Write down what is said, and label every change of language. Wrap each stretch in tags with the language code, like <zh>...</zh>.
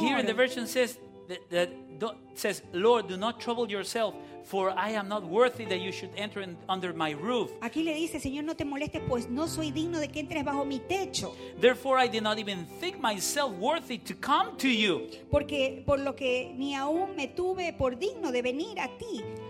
<en>Here in the version says that says, Lord, do not trouble yourself, for I am not worthy that you should enter under my roof.</en> <es>Aquí le dice, Señor, no te molestes, pues no soy digno de que entres bajo mi techo.</es> <en>Therefore, I did not even think myself worthy to come to you.</en> <es>Porque por lo que ni aún me tuve por digno de venir a ti.</es>